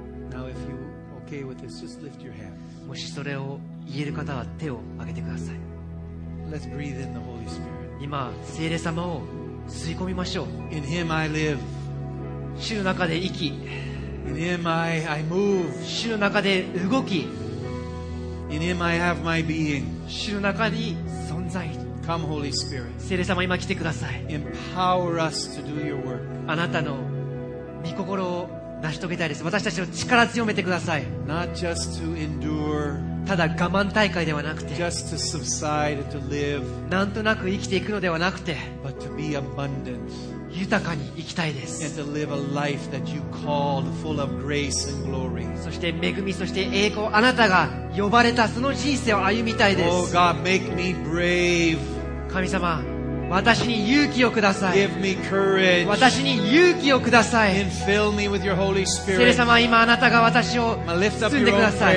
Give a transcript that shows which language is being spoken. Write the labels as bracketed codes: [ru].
[en] Now, if you okay with this, just lift your hand. [ja] もしそれを言える方は手を挙げてください。 [en] Let's breathe in the Holy Spirit. [ja] 今聖霊様を吸い込みましょう。 [en] In Him I live. [ja] 主の中で生き、 [en] In Him I move. [ja] 主の中で動き、 [en] In Him I have my being. [ja] 主の中に存在。 [en] Come Holy Spirit. [ja] 聖霊様、今来てください。 [en] Empower us to do your work. [ja] あなたの御心を成し遂げたいです。私たちの力強めてください。 [en] Not just to endure, [ja] ただ我慢大会ではなくて、 [en] just to subside, to live, [ja] なんとなく生きていくのではなくて、 [en] but to be abundant, [ja] 豊かに生きたいです。 [en] and to live a life that you called full of grace and glory. [ja] そして恵み、そして栄光、あなたが呼ばれたその人生を歩みたいです。 [en] Oh God, make me brave. [ja] 神様、私に勇気をください。 [en] Give me courage. [ja] 私に勇気をください。 [en] And fill me with your Holy Spirit. [ja] 聖霊様、今あなたが私を包んでください。